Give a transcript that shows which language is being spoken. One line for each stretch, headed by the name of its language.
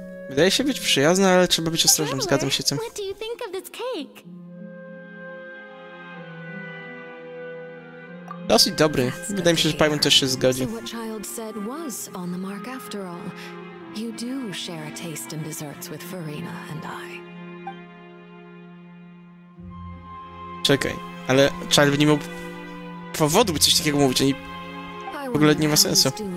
Polish: Wydaje się być przyjazne, ale trzeba być ostrożnym. Zgadzam się z tym.
English: What do you think of this cake?
Polish: Dosyć dobry. Wydaje mi się, że Paimon też się zgodzi.
English: So what child said was on the mark after all. You do share a taste in desserts with Farina and I.
Polish: Czekaj, ale child by nie miał powodu, by coś takiego mówić, oni w ogóle nie ma sensu.